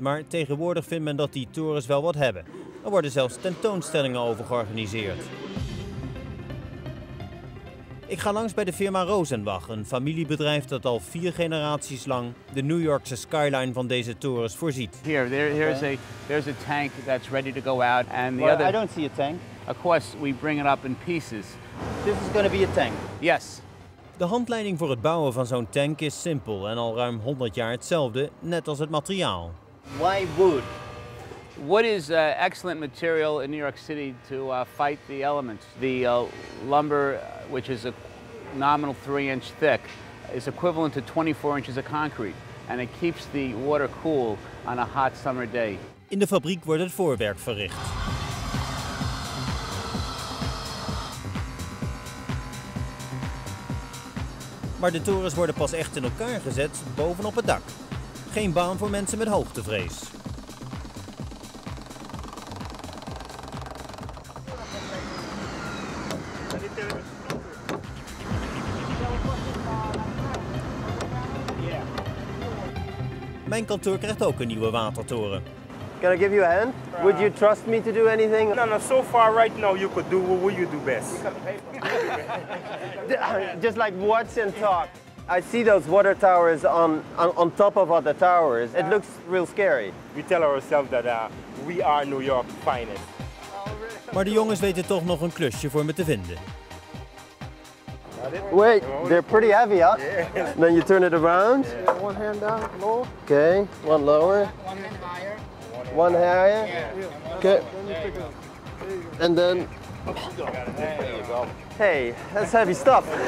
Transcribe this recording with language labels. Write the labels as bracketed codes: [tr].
[nl] Maar tegenwoordig vindt men dat die torens wel wat hebben. Er worden zelfs tentoonstellingen over georganiseerd. Ik ga langs bij de firma Rosenbach, een familiebedrijf dat al 4 generaties lang de New Yorkse skyline van deze torens voorziet. [en] Here, there's a tank that's ready to go out, and the other. I don't see a tank. Of course, we bring it up in pieces. This is going to be a tank. Yes. [nl] De handleiding voor het bouwen van zo'n tank is simpel en al ruim 100 jaar hetzelfde, net als het materiaal. [en] Why wood? Wood is excellent material in New York City to fight the elements. The lumber, which is a nominal 3-inch thick, is equivalent to 24 inches of concrete. And it keeps the water cool on a hot summer day. [nl] In de fabriek wordt het voorwerk verricht. Maar de torens worden pas echt in elkaar gezet bovenop het dak. Geen baan voor mensen met hoogtevrees. Mijn kantoor krijgt ook een nieuwe watertoren. [en] Can I give you a hand? Would you trust me to do anything? No, so far right now you could do what you do best. Just like watch and talk. I see those water towers on top of other towers. It looks real scary. We tell ourselves that we are New York finest. [nl] Maar de jongens weten toch nog een klusje voor me te vinden. [en] Wait, they're pretty heavy, huh? Yeah. Then you turn it around. Yeah. One hand down, low. Okay, one lower. One hand higher. One higher. Yeah. Okay. Then there you go. And then. Hey, that's heavy stuff.